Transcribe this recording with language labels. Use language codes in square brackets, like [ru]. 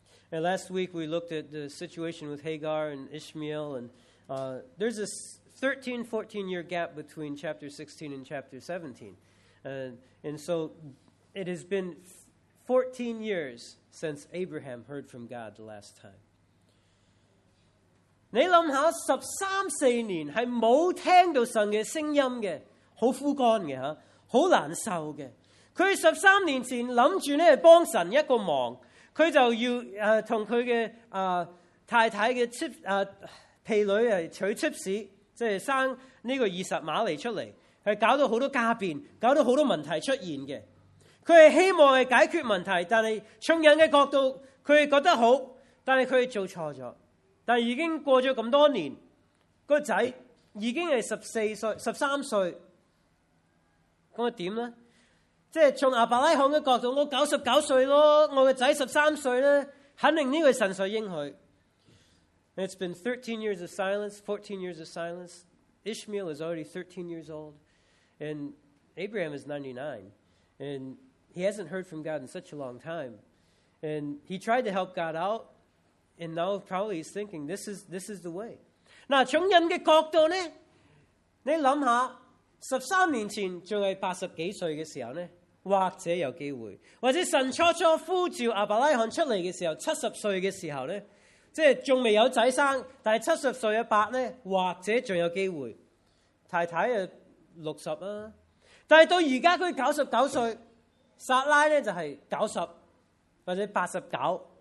[en] And last week we looked at the situation with Hagar and Ishmael, and there's this 13-14 year gap between chapter 16 and chapter 17. And so it has been 14 years since Abraham heard from God the last time. [zh] 你想想十三四年是没有听到神的声音的，很枯干的，很难受的。他十三年前想着呢帮神一个忙，他就要跟他的太太的婢女娶妻子，即是生这个以撒玛利出来，是搞到很多家变，搞到很多问题出现的。他是希望是解决问题，但是从人的角度他是觉得好，但是他是做错了。但已经过了这么多年，那个仔已经是十三岁，那么怎么办呢？从亚伯拉罕的角度，我99岁咯，我的仔13岁呢，肯定这个神所应许。 [en] It's been 13 years of silence, 14 years of silence. Ishmael is already 13 years old, and Abraham is 99, and he hasn't heard from God in such a long time. And he tried to help God out,And now probably he's thinking, this is the way. [zh] 那从人的角度呢，你想下，十三年前还是80几岁的时候呢，或者有机会，或者神初初呼召亚伯拉罕出来的时候，70岁的时候呢，即是还没有仔生，但是70岁的伯呢，或者还有机会，太太是60啊，但是到现在他99岁，撒拉呢就是90或者89。